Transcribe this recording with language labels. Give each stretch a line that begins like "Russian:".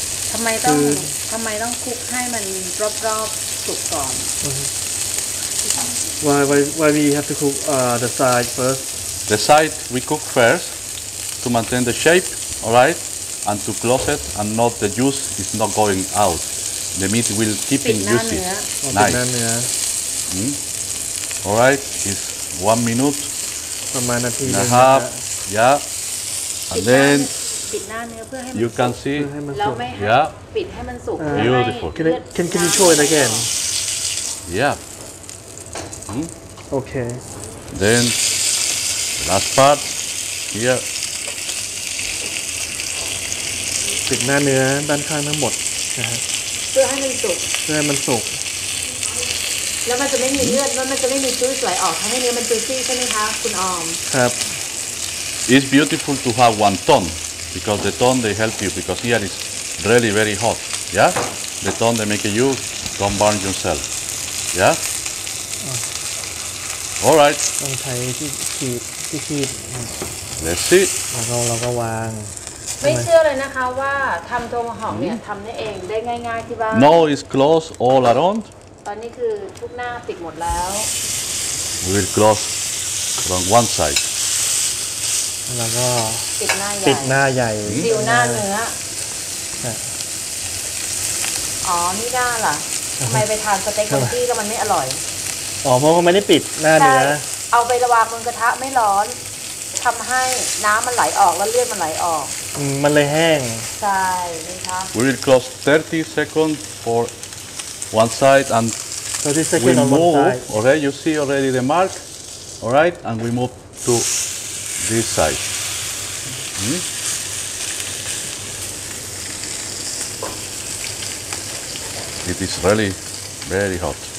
Thai: ทำไมต้องคุกให้มันรอบสุกก่อน
English: Why we have to cook the side first? The side we cook first to maintain the shape, all right, and to close it, and not the juice is not going out. The meat will keep in juicy. Nice. All right, it's 1 minute.
Thai: ประมาณนาที นะครับ
English: Yeah. And then you can see, yeah, beautiful. Can you show it again? Yeah, Okay. Then last part here.
Thai: ปิดหน้าเนื้อด้านข้างทั้งหมดนะฮะ เพื่อให้มันสุก เพื่อให้มันสุก แล้วมันจะไม่มีเลือดมันจะไม่มีเลือดไหลออกทำให้เนื้อมันจืดซีดใช่ไหมคะคุณออม ครับ
English: It's beautiful to have one ton because the ton they help you because here is really very hot yeah the ton they make you don't burn yourself yeah all right
Thai: ต้องใช้ขีดที่ขีด
English: let's see
Thai: แล้วเราก็วาง ไม่เชื่อเลยนะคะว่าทำโทโมฮอคเนี่ยทำได้เองได้ง่ายๆที่บ้าน
English: No it's closed all around
Thai: ตอนนี้คือทุกหน้าปิดหมดแล้ว
English: We will close from one side
Thai: แล้วก็ ปิดหน้าใหญ่ ปิดหน้าใหญ่ซิลหน้าเนื้ออ๋อนี่หน้าล่ะทำไมไปทานสเต็กที่แล้วมันไม่อร่อย อ๋อเพราะมันไม่ได้ปิดหน้าเนื้อ เอาไประวางบนกระทะไม่ร้อนทำให้น้ำมันไหลออกแล้วเลือดมันไหลออก มันเลยแห้ง ใช่ไหมคะ
English: We will close 30 seconds for one side and 30 seconds we move already you see already the mark all right and we move to this side it is really very hot